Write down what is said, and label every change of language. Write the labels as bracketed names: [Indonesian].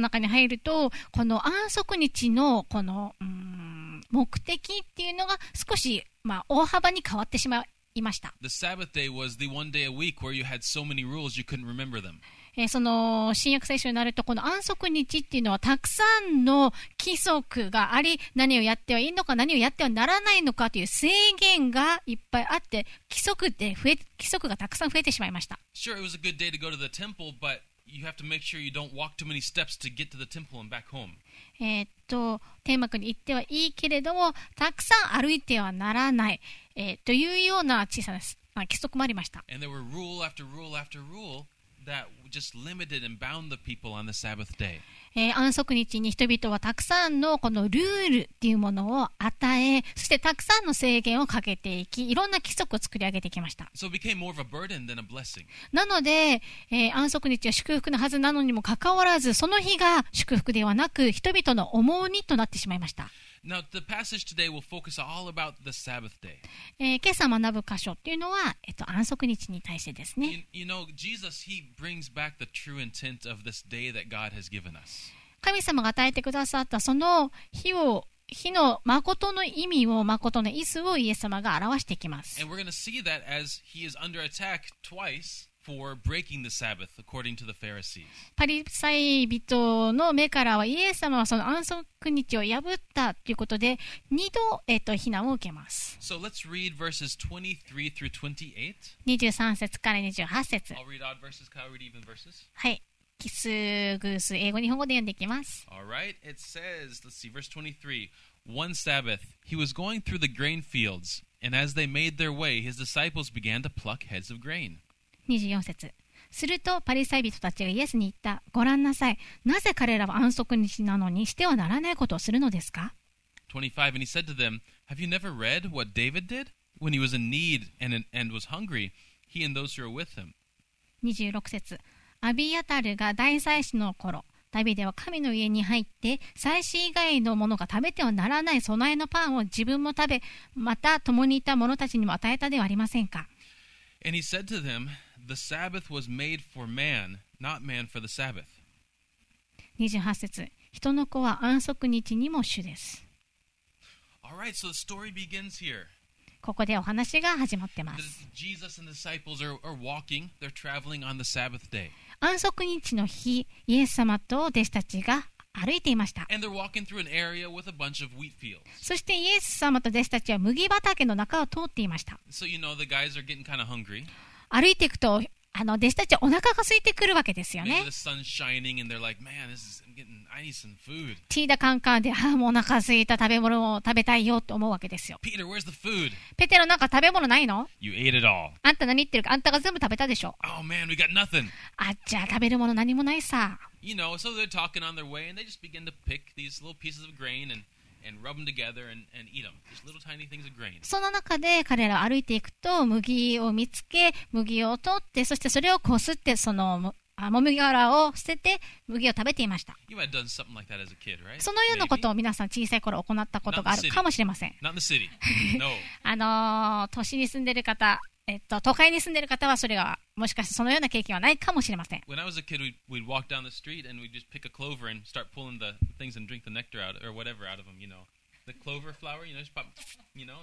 [Japanese] 中に入るとこの安息日のこの、目的っていうのが少し、大幅に変わってしまいました。 [English] The Sabbath day was the one day a week where you had so many rules you couldn't remember them. [Japanese] その新約聖書になるとこの安息日っていうのはたくさんの規則があり、何をやってはいいのか何をやってはならないのかという制限がいっぱいあって、規則がたくさん増えてしまいました。 [English] Sure, it was a good day to go to the temple, but you have to make sure you don't walk too many steps to get to the temple and back home. [Japanese] 天幕に行ってはいいけれども、たくさん歩いてはならない、というような小さな、規則もありました。 [English] And there were rule after rule after ruleThat just limited and bound the people on the Sabbath day. [Japanese] 安息日に人々はたくさんのこのルールっていうものを与え、そしてたくさんの制限をかけていき、いろんな規則を作り上げてきました。 [English] So it became more of a burden than a blessing. [Japanese] なので、安息日は祝福のはずなのにもかかわらず、その日が祝福ではなく、人々の重荷となってしまいました。 [English] Now, the passage today will focus all about the Sabbath day. [Japanese] 今朝学ぶ箇所っていうのは、安息日に対してですね。 [English] You know, Jesus, he brings back the true intent of this day that God has given us. [Japanese] 神様が与えてくださったその日の誠の意味を、誠の意図をイエス様が表していきます。 [English] And we're going to see that as he is under attack twice. For breaking the Sabbath, according to the Pharisees. [Japanese] パリサイ人の目からはイエス様はその安息日を破ったということで二度、非難を受けます。 [English] So let's read verses 23 through 28. [Japanese] 23節から28節。 [English] I'll read odd verses, Kyle, read even verses. [Japanese] はい、奇数偶数英語日本語で読んでいきます。 [English] Alright, it says, let's see, verse 23. One Sabbath, he was going through the grain fields, and as they made their way, his disciples began to pluck heads of grain. [Japanese] 24節。するとパリサイ人たちがイエスに言った。ご覧なさい。なぜ彼らは安息日なのにしてはならないことをするのですか [English] ?25. And he said to them, Have you never read what David did? When he was in need and was hungry, he and those who were with him. [Japanese] 26節。アビアタルが大祭司の頃、ダビデは神の家に入って、祭司以外の者が食べてはならない備えのパンを自分も食べ、また共にいた者たちにも与えたではありませんか。 [English] And he said to them, The Sabbath was made for man, not man for the Sabbath. [Japanese] 28節。人の子は安息日にも主です。 [English] All right, so the story begins here. [Japanese] ここでお話が始まってます。 [English] Jesus and the disciples are walking, they're traveling on the Sabbath day. [Japanese] 安息日の日、イエス様と弟子たちが歩いていました。 [English] And they're walking through an area with a bunch of wheat fields. [Japanese] そしてイエス様と弟子たちは麦畑の中を通っていました。 [English] So you know the guys are getting kind of hungry. [Japanese] 歩いていくと弟子たちはお腹が空いてくるわけですよね。 [English] The sun's shining and they're like, man, this is getting nice and food. [Japanese] ティーダカンカンで、もうお腹空いた、食べ物を食べたいよと思うわけですよ。 [English] Peter, where's the food? [Japanese] ペテロ、なんか食べ物ないの [English] ？You ate it all. [Japanese] あんた何言ってるか、あんたが全部食べたでしょ。 [English] Oh man, we got nothing. [Japanese] あっちゃ食べるもの何もないさ。 [English] You know, so they're talking on their way and they just begin to pick these little pieces of grain and rub them together and eat them. Just little tiny things of grain. [Japanese] その中で彼らは歩いていくと麦を見つけ、麦を取って、そしてそれをこすってそのもみ殻を捨てて麦を食べていました。 [English] You might have done something like that as a kid, right? [Japanese] そのようなことを皆さん小さい頃行ったことがあるかもしれません。 [English] Not in the city. No. [Japanese] 都市に住んでる方、都会に住んでる方はそれがもしかしてそのような経験はないかもしれません。 [English] When I was a kid, we'd walk down the street and we'd just pick a clover and start pulling the things and drink the nectar out or whatever out of them, you know. The clover flower, you know, just pop, you know.